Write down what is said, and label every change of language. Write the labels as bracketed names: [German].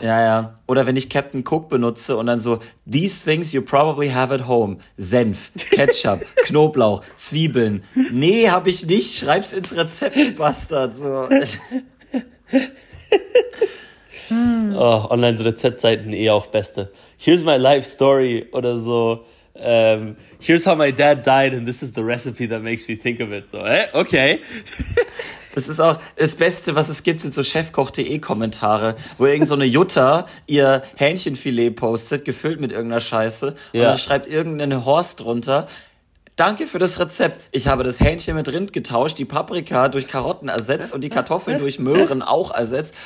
[German] Ja, ja. Oder wenn ich Captain Cook benutze und dann so, [English] these things you probably have at home. [German] Senf, Ketchup, Knoblauch, Zwiebeln. Nee, hab ich nicht. Schreib's ins Rezept, Bastard. So. Oh, Online-Rezeptseiten eh auch beste. [English] Here's my life story [German] oder so. [English] Here's how my dad died and this is the recipe that makes me think of it. [German] So, okay. Das ist auch das Beste, was es gibt, sind so Chefkoch.de-Kommentare, wo irgendeine so Jutta ihr Hähnchenfilet postet, gefüllt mit irgendeiner Scheiße. Ja. Und dann schreibt irgendein Horst drunter, danke für das Rezept. Ich habe das Hähnchen mit Rind getauscht, die Paprika durch Karotten ersetzt und die Kartoffeln durch Möhren auch ersetzt.